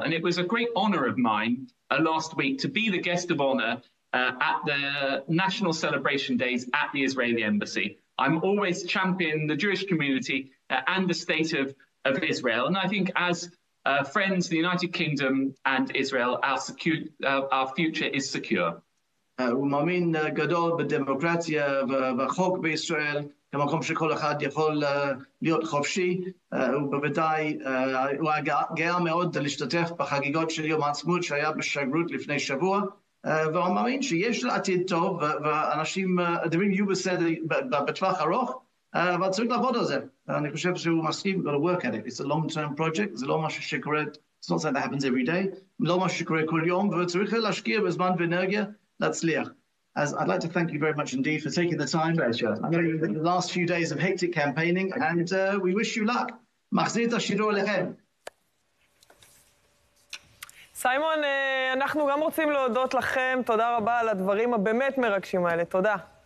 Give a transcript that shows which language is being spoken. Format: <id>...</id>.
<en>And it was a great honor of mine last week to be the guest of honor at the national celebration days at the Israeli embassy. I'm always championing the Jewish community and the state of Israel. And I think as friends, the United Kingdom and Israel, our future is secure.</en> <he>הוא מאמין גדול בדמוקרטיה ובחוק בישראל, כמקום שכל אחד יכול להיות חופשי. הוא בוודאי, הוא גאה מאוד להשתתף בחגיגות של יום העצמאות שהיה בשגרות לפני שבוע. והוא מאמין שיש לעתיד טוב, ואנשים, הדברים יהיו בסדר בטווח ארוך, אבל צריך לעבוד על זה. אני חושב שהוא מסכים,</he> <en>got to work at it. It's a long-term project,</en> <he>זה לא משהו שקורה,</he> <en>it's not something that happens every day,</en> <he>לא משהו שקורה כל יום, וצריך להשקיע בזמן ואנרגיה, להצליח.</he> <en>אז I'd like to thank you very much indeed for taking the time. Pleasure. I'm going to the last few days of hectic campaigning, and we wish you luck.</en> <he>מחזיר את השידור אליכם. סיימון, אנחנו גם רוצים להודות לכם. תודה רבה על הדברים הבאמת מרגשים האלה. תודה.</he>